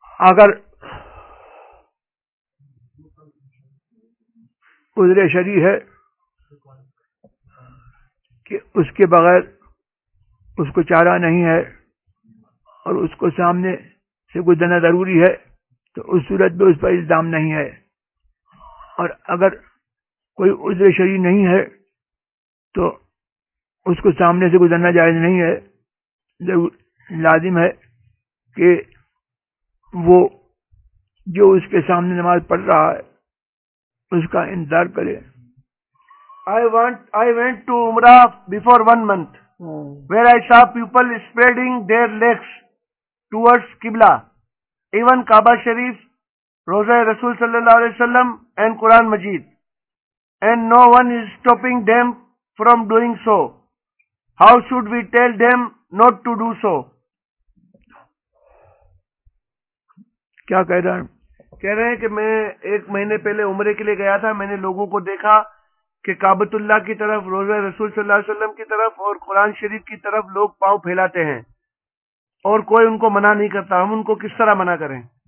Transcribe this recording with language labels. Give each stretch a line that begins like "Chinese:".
Urdu: اگر عذر شرعی ہے کہ اس کے بغیر اس کو چارہ نہیں ہے اور اس کو سامنے سے گزرنا ضروری ہے تو اس صورت میں اس پر الزام نہیں ہے, اور اگر کوئی عذر شرعی نہیں ہے تو اس کو سامنے سے گزرنا جائز نہیں ہے. لازم ہے کہ وہ جو اس کے سامنے نماز پڑھ رہا ہے اس کا انتظار کرے.
English: I went to Umrah before 1 month where I saw people spreading their legs towards Qibla. Even Kaaba Sharif, Roza Rasul Sallallahu Alaihi Wasallam and Quran Majid. And no one is stopping them from doing so. How should we tell them not to do so?
Urdu: کیا کہہ رہے ہیں؟ کہہ رہے ہیں کہ میں ایک مہینے پہلے عمرے کے لیے گیا تھا, میں نے لوگوں کو دیکھا کہ کعبۃ اللہ کی طرف, روزہ رسول صلی اللہ علیہ وسلم کی طرف اور قرآن شریف کی طرف لوگ پاؤں پھیلاتے ہیں اور کوئی ان کو منع نہیں کرتا, ہم ان کو کس طرح منع کریں؟